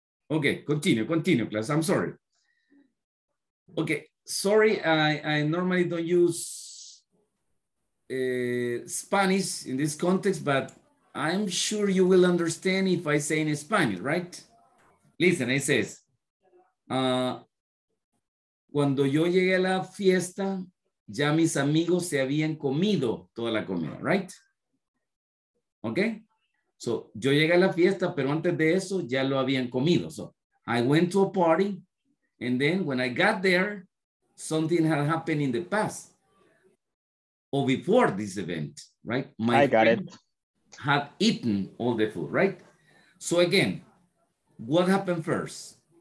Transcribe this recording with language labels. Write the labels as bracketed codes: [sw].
[en] Okay, continue, class. I'm sorry. Okay, sorry, I normally don't use Spanish in this context, but I'm sure you will understand if I say in Spanish, right? Listen, it says, [es] cuando yo llegué a la fiesta, ya mis amigos se habían comido toda la comida, right? Okay? So, yo llegué a la fiesta, pero antes de eso, ya lo habían comido. [en] So, I went to a party, and then when I got there, something had happened in the past, or before this event, right? My I got it. Had eaten all the food, right? So again, what happened first?